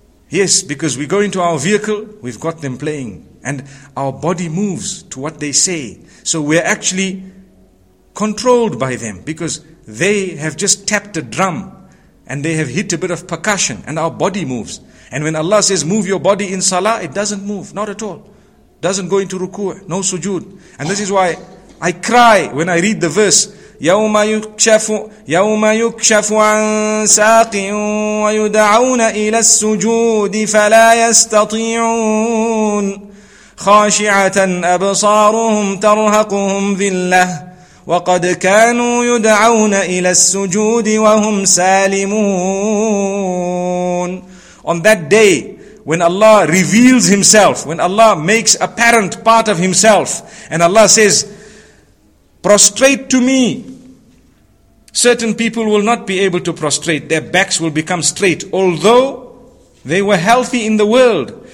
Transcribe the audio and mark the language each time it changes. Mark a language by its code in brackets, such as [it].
[en] Yes, because we go into our vehicle, we've got them playing. And our body moves to what they say. So we're actually controlled by them. Because they have just tapped a drum. And they have hit a bit of percussion. And our body moves. And when Allah says, move your body in salah, it doesn't move, not at all. Doesn't go into ruku', no sujood. And this is why I cry when I read the verse, [ar] يَوْمَ يُكْشَفُ عَنْ سَاقٍ وَيُدَعَوْنَ إِلَى السُّجُودِ فَلَا يَسْتَطِيعُونَ خَاشِعَةً أَبْصَارُهُمْ تَرْهَقُهُمْ ذِلَّةٌ وَقَدْ كَانُوا يُدْعَوْنَ إِلَى السُّجُودِ وَهُمْ سَالِمُونَ. [en] On that day, when Allah reveals Himself, when Allah makes apparent part of Himself, and Allah says, prostrate to me, certain people will not be able to prostrate, their backs will become straight, although they were healthy in the world.